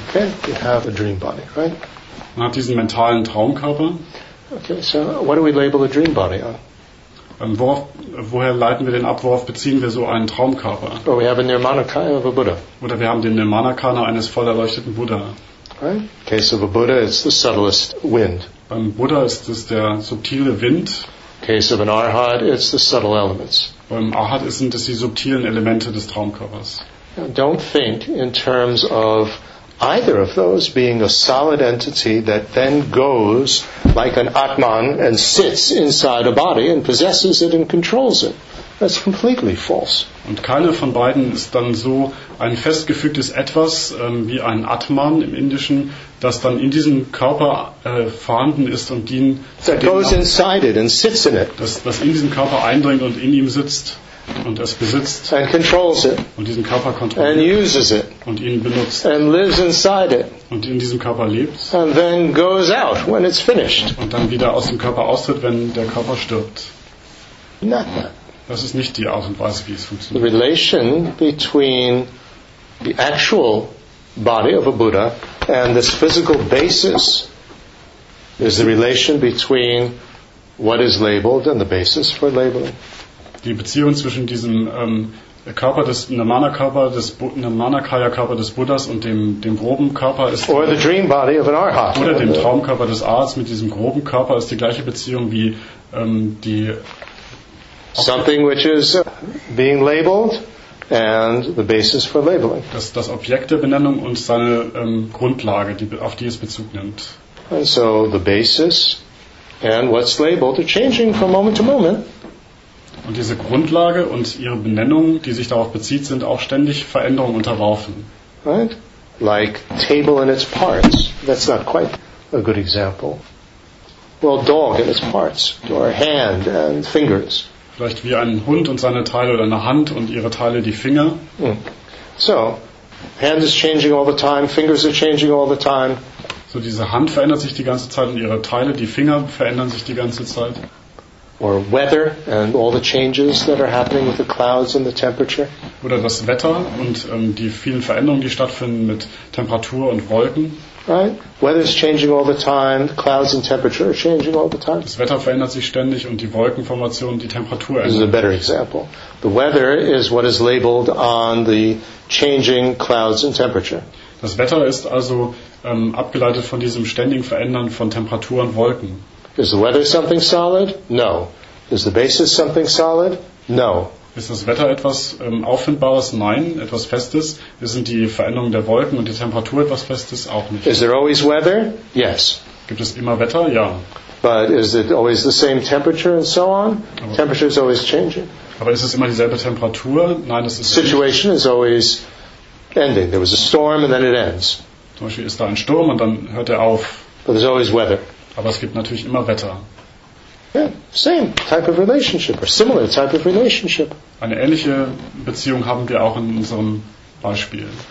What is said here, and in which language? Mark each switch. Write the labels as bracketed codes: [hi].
[en] Okay, we have a dream body, right? [de] Man hat diesen mentalen Traumkörper. [en] Okay, so what do we label the dream body on? [de] Woher leiten wir den ab, worauf beziehen wir so einen Traumkörper? [en] Or we have a Nirmanakaya of a Buddha. [de] Oder wir haben den Nirmanakaya eines voll erleuchteten Buddha. [en] Right? Case of a Buddha, it's the subtlest wind. [de] Beim Buddha ist es der subtile Wind. [en] Case of an Arhat, it's the subtle elements. [de] Beim Arhat sind es die subtilen Elemente des Traumkörpers. [en] Now don't think in terms of either of those being a solid entity that then goes like an Atman and sits inside a body and possesses it and controls it. That's completely false. [de] Und keine von beiden ist dann so ein festgefügtes Etwas wie ein Atman im Indischen, das dann in diesem Körper vorhanden ist und ihn [en] that goes inside it and sits in it. [de] Das in diesem Körper eindringt und in ihm sitzt und es besitzt [en] and controls it [de] und diesen Körper kontrolliert [en] and uses it [de] und ihn benutzt [en] and lives inside it [de] und in diesem Körper lebt [en] and then goes out when it's finished [de] und dann wieder aus dem Körper austritt, wenn der Körper stirbt. [en] Not that. [de] Das ist nicht die Art und Weise, wie es funktioniert. [en] The relation between the actual body of a Buddha and this physical basis is the relation between what is labeled and the basis for labeling. [de] Die Beziehung zwischen diesem Körper des Nirmana-Körper, des Nirmanakaya-Körper des Buddhas und dem groben Körper ist [en] or the dream body of an Arhat. [de] Oder dem Traumkörper des Arhats mit diesem groben Körper ist die gleiche Beziehung wie die [en] something which is being labeled and the basis for labeling. [de] Das Objekt der Benennung und seine Grundlage, auf die es Bezug nimmt. [en] And so the basis and what's labeled are changing from moment to moment. [de] Und diese Grundlage und ihre Benennung, die sich darauf bezieht, sind auch ständig Veränderungen unterworfen. [en] Right? Like table in its parts. That's not quite a good example. Well, dog in its parts. Or hand and fingers. [de] Vielleicht wie ein Hund und seine Teile oder eine Hand und ihre Teile, die Finger. Mm. [en] So, hand is changing all the time, fingers are changing all the time. [de] So diese Hand verändert sich die ganze Zeit und ihre Teile, die Finger, verändern sich die ganze Zeit. [en] Or weather and all the changes that are happening with the clouds and the temperature. [de] Oder das Wetter und die vielen Veränderungen, die stattfinden mit Temperatur und Wolken. [en] Right? Weather is changing all the time. The clouds and temperature are changing all the time. [de] Das Wetter verändert sich ständig und die Wolkenformation, die Temperatur ändert. [en] This is a better example. The weather is what is labeled on the changing clouds and temperature. [de] Das Wetter ist also abgeleitet von diesem ständigen Verändern von Temperatur und Wolken. [en] Is the weather something solid? No. Is the basis something solid? No. [de] Ist das Wetter etwas Auffindbares? Nein. Etwas Festes? Sind die Veränderungen der Wolken und die Temperatur etwas Festes? Auch nicht. [en] Is there always weather? Yes. [de] Gibt es immer Wetter? Ja. [en] But is it always the same temperature and so on? [de] Aber [en] temperature is always changing. [de] Aber ist es immer dieselbe Temperatur? Nein, es ist [en] situation [de] nicht. [en] Is always ending. There was a storm and then it ends. [de] Zum Beispiel ist da ein Sturm und dann hört er auf. [en] But there's always weather. [de] Aber es gibt natürlich immer Wetter. [en] Yeah, same type of relationship or similar type of relationship. [de] Eine ähnliche Beziehung haben wir auch in unserem Beispiel.